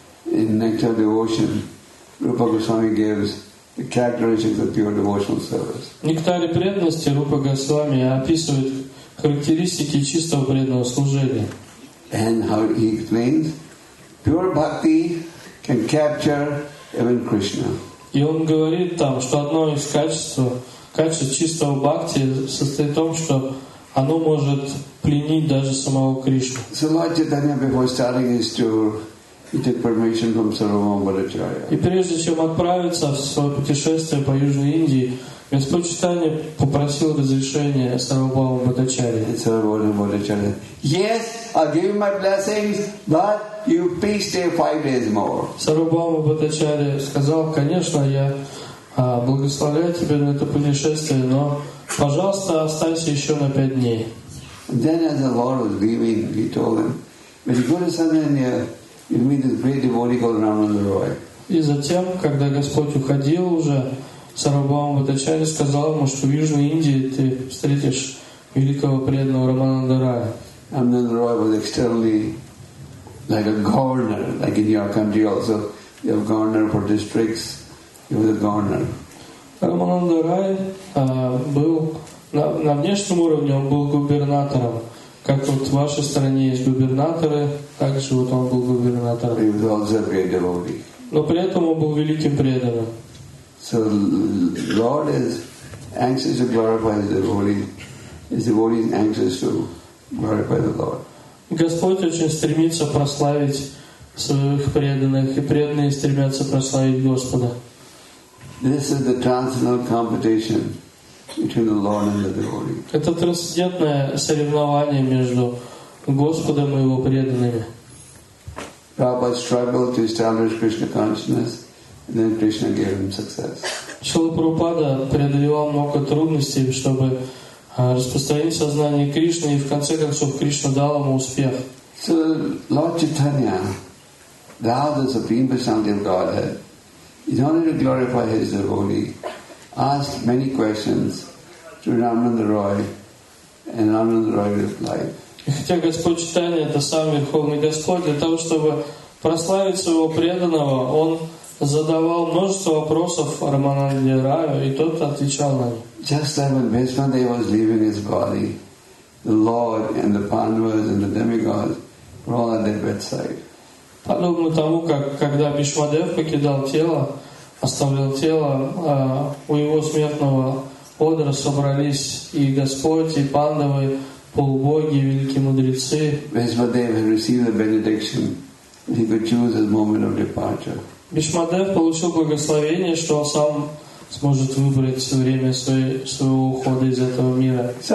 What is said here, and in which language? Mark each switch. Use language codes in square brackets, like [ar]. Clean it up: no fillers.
[en] In Nectar Devotion, Rupa Goswami gives the characteristics of pure devotional service. [ru] В Нектаре преданности Рупа Госвами описывает характеристики чистого преданного служения. [en] And how he explains, pure bhakti can capture even Krishna. [ru] И он говорит там, что одно из качеств чистого бхакти состоит в том, что оно может пленить даже самого Кришну. [en] So Lord Chaitanya, before starting his tour, he took permission from Sarvabhauma Bhattacharya. [ru] И прежде чем отправиться в свое путешествие по Южной Индии, Господь Чайтанья попросил разрешения Сарвабхаума Бхаттачарьи. Сарвабхаума Бхаттачарьи. [en] Yes, I'll give you my blessings, but you please stay 5 days more. [ru] Сарвабхаума Бхаттачарьи сказал, конечно, я благословляю тебя на это путешествие, но, пожалуйста, останься еще на 5 дней. [en] And then as the Lord was leaving, he told him, when you go to Sananya, you meet this great devotee called Ramananda Roy. [ru] И затем, когда Господь уходил уже, Сарвабхаума Бхаттачарья сказал ему, что в Южной Индии ты встретишь великого преданного Рамананда Рая. [en] Ramananda Roy was externally like a governor, like in your country also. You have governor for districts, he was a governor. [ru] Рамананда Рай был на внешнем уровне, он был губернатором. Как вот в вашей стране есть губернаторы, так же вот он был губернатором. [en] He was also a great devotee. [ru] Но при этом он был великим преданным. [en] So Lord is anxious to glorify His devotee. His devotee is anxious to glorify the Lord. [ru] Господь очень стремится прославить своих преданных, и преданные стремятся прославить Господа. [en] This is the transcendental competition between the Lord and the devotee. [ru] Это трансцендентное соревнование между Господом и его преданными. [en] Prabhupada struggled to establish Krishna consciousness. Then Krishna gave him success. [ru] Шрила Прабхупада преодолевал много трудностей, чтобы распространить сознание Кришны, и в конце концов Кришна дал ему успех. [en] So Lord Chaitanya, thou the supreme personality of Godhead, in order to glorify his devotee, asked many questions to Ramananda Roy, and Ramananda Roy replied. [ru] И хотя Господь Чайтанья это сам Верховный Господь, для того чтобы прославить своего преданного, он задавал множество вопросов Рамананде Раю, и тот отвечал на них. [en] Just like when Bhishma Dev was leaving his body, the Lord and the Pandavas and the demigods were all at their bedside. [ru] Подобно тому, как когда Бхишма Дев покидал тело, оставлял тело, у его смертного одра собрались и Господь, и Пандавы, полубоги, великие мудрецы. [en] Bhishma Dev had received the benediction, he could choose his moment of departure. [ru] Бхишма Дев получил благословение, что он сам сможет выбрать все время своего ухода из этого мира.